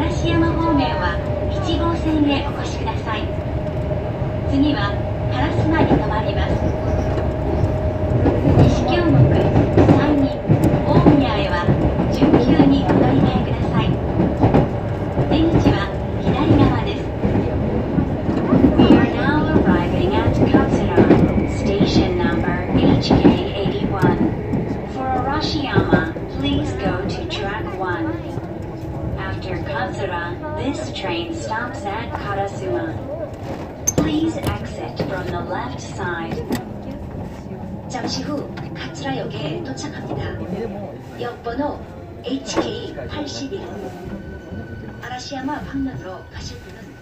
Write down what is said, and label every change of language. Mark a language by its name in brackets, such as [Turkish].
[Japanese] 山方面は1号線へお越しください。次は原島に停まります。西京極山陰大宮へは準急にお乗り換えください。出口は左側です。 [English] We are now arriving at Katsura Station number HK81. For Arashiyama, please go to track 1. After Katsura, this train stops at Karasuma. Please exit from the left side. [Korean] 잠시 후 가츠라 역에 도착합니다. 역번호 HK81. 아라시야마 방면으로 가실 분은